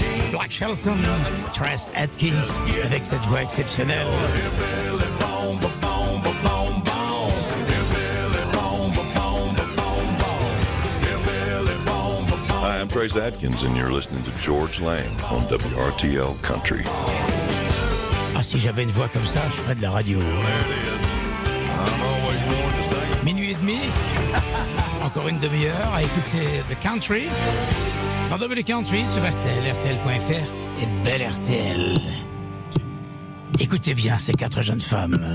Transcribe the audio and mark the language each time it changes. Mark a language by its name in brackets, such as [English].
[French] Black Shelton, Trace Atkins, avec cette voix exceptionnelle. [English] Hi, I'm Trace Atkins, and you're listening to George Lang on WRTL Country. [French] Ah, si j'avais une voix comme ça, je ferais de la radio. Minuit et demi, encore une demi-heure à écouter The Country. Dans W Country sur RTL, RTL.fr et Belle RTL. Écoutez bien ces quatre jeunes femmes.